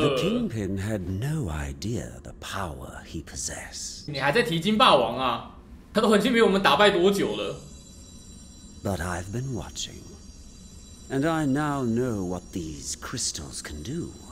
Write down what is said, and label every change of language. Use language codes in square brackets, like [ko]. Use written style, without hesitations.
[en] The Kingpin had no idea the power he possessed。 [zh] 你还在提金霸王啊？他都已经被我们打败多久了？ [en] But I've been watching, and I now know what these crystals can do.